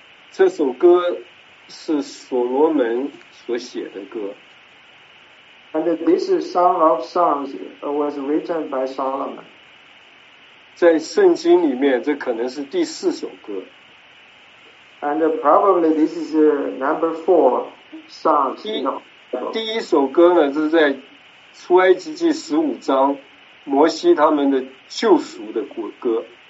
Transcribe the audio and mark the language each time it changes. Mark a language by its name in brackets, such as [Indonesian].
[Chinese] 这首歌是所罗门所写的歌。 [English] And this is Song of Songs was written by Solomon. [Chinese] 在圣经里面，这可能是第四首歌。 [English] And probably this is number four songs. [Chinese] 第一首歌呢，是在出埃及记十五章，摩西他们的救赎的歌。